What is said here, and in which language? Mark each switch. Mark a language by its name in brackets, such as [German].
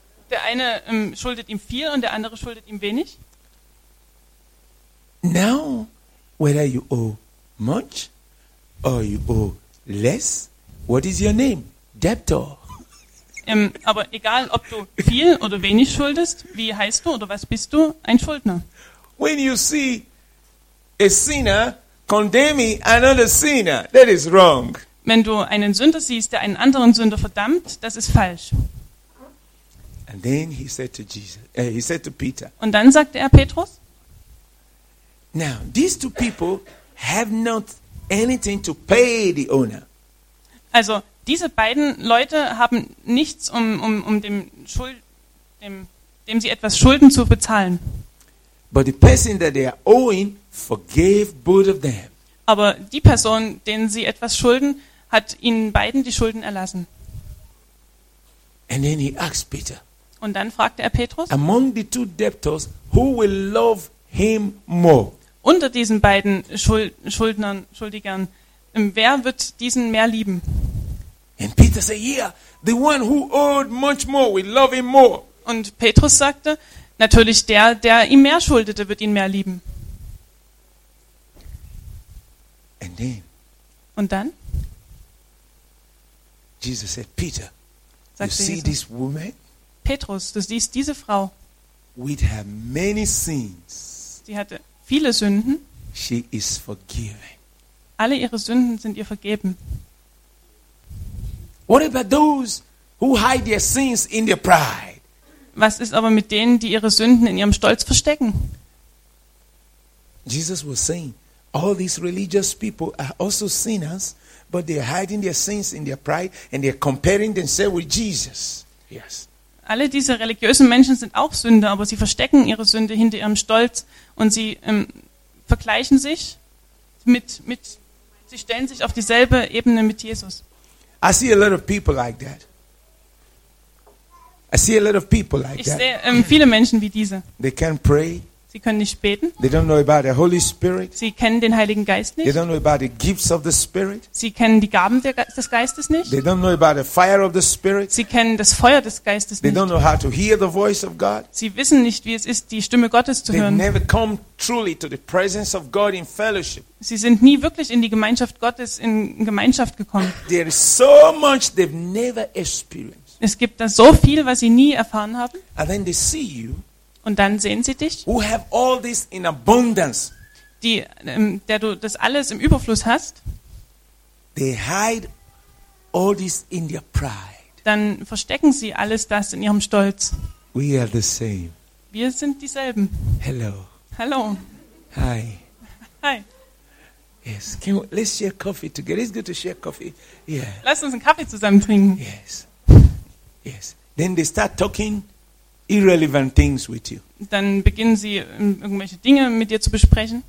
[German] Der eine schuldet ihm viel und der andere schuldet ihm wenig. [English] Now, whether you owe much or you owe less, what is your name? Debtor. [German] Aber egal, ob du viel oder wenig schuldest, wie heißt du oder was bist du? Ein Schuldner. [English] When you see a sinner condemn me another sinner. That is wrong. [German] Wenn du einen Sünder siehst, der einen anderen Sünder verdammt, das ist falsch. [English] And then he said to Jesus, he said to Peter. [German] Und dann sagte er Petrus. [English] Now these two people have not anything to pay the owner. [German] Also diese beiden Leute haben nichts, um dem Schuld, dem sie etwas schulden zu bezahlen. [English] But the person that they are owing forgave both of them. [German] Aber die Person, denen sie etwas schulden, hat ihnen beiden die Schulden erlassen. [English] And then he asked Peter. [German] Und dann fragte er Petrus. [English] Among the two debtors, who will love him more? [German] Unter diesen beiden Schuldigern, wer wird diesen mehr lieben? [English] And Peter said, yeah, the one who owed much more will love him more. [German] Und Petrus sagte, natürlich der, der ihm mehr schuldete, wird ihn mehr lieben. [English] And then, [German] und dann? [English] Jesus said, Peter, you see this woman? [German] Petrus, du siehst diese Frau. [English] With her many sins. [German] Sie hatte viele Sünden. [English] She is forgiven. [German] Alle ihre Sünden sind ihr vergeben. [English] What about those who hide their sins in their pride? [German] Was ist aber mit denen, die ihre Sünden in ihrem Stolz verstecken? [English] Jesus was saying, all these religious people are also sinners, but they're hiding their sins in their pride and they're comparing themselves with Jesus. Yes. [German] Alle diese religiösen Menschen sind auch Sünder, aber sie verstecken ihre Sünde hinter ihrem Stolz und sie vergleichen sich mit sie stellen sich auf dieselbe Ebene mit Jesus. [English] I see a lot of people like that. I see a lot of people like that. [German] Ich sehe viele Menschen wie diese. [English] They can't pray. [German] Sie können nicht beten. [English] They don't know about the Holy Spirit. [German] Sie kennen den Heiligen Geist nicht. [English] They don't know about the gifts of the Spirit. [German] Sie kennen die Gaben des Geistes nicht. [English] They don't know about the fire of the Spirit. [German] Sie kennen das Feuer des Geistes nicht. [English] They don't know how to hear the voice of God. [German] Sie wissen nicht, wie es ist, die Stimme Gottes zu hören. [English] They never come truly to the presence of God in fellowship. [German] Sie sind nie wirklich in die Gemeinschaft Gottes in Gemeinschaft gekommen. [English] There is so much they've never experienced. [German] Es gibt da so viel, was sie nie erfahren haben. [English] And then they see you, [German] und dann sehen sie dich, [English] who have all this in abundance. [German] Die, der du das alles im Überfluss hast. [English] They hide all this in their pride. [German] Dann verstecken sie alles das in ihrem Stolz. [English] We are the same. [German] Wir sind dieselben. [English] Hello. [German] Hallo. [English] Hi. Hi. Yes. Can we, let's share coffee together. It's good to share coffee. Yeah. [German] Lass uns einen Kaffee zusammen trinken. [English] Yes. Yes. Then they start talking irrelevant things with you. [German] Dann beginnen sie irgendwelche Dinge mit dir zu besprechen.